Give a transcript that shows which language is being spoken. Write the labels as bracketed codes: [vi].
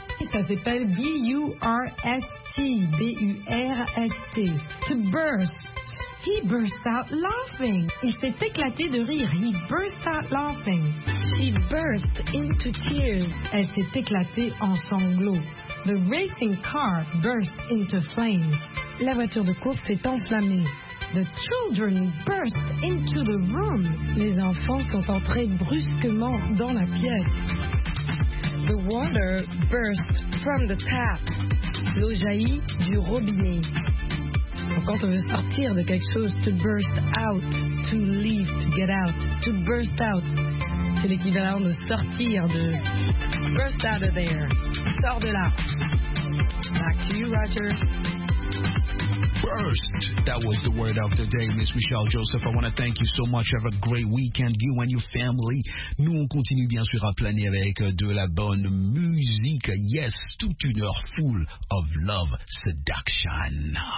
[fr] Ça s'appelle B-U-R-S-T, B-U-R-S-T. [en] To burst. He burst out laughing. [fr] Il s'est éclaté de rire. [en] He burst out laughing. He burst into tears. [fr] Elle s'est éclatée en sanglots. [en] The racing car burst into flames. [fr] La voiture de course s'est enflammée. [en] The children burst into the room. [fr] Les enfants sont entrés brusquement dans la pièce. [en] The water burst from the tap. [fr] L'eau jaillit du robinet. Quand on veut sortir de quelque chose, [en] to burst out, to leave, to get out, to burst out, c'est l'équivalent de sortir, de burst out of there, [fr] sors de là. [en] Back to you, Roger. Burst, that was the word of the day, Miss Michelle Joseph. I want to thank you so much. Have a great weekend, you and your family. [fr] Nous, on continue bien sûr à planer avec de la bonne musique. [en] Yes, [fr] toute une heure [en] full of love seduction.